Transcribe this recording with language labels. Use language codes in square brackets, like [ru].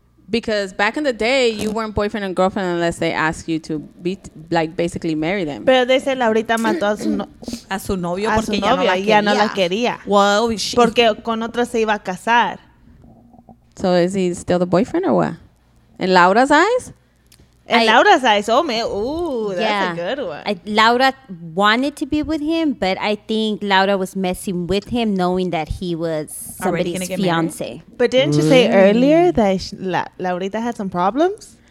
[en] Because back in the day, you weren't boyfriend and girlfriend unless they asked you to be like basically marry them. [es] Pero dice Laurita mató a su novio porque ya no la quería. Well, porque con otra se iba a casar. [en] So is he still the boyfriend or what? In Laura's eyes? Laura's eyes, oh man, ooh, yeah. That's a good one. Laura wanted to be with him, but I think Laura was messing with him knowing that he was somebody's fiancé. But didn't you say earlier that Laurita had some problems?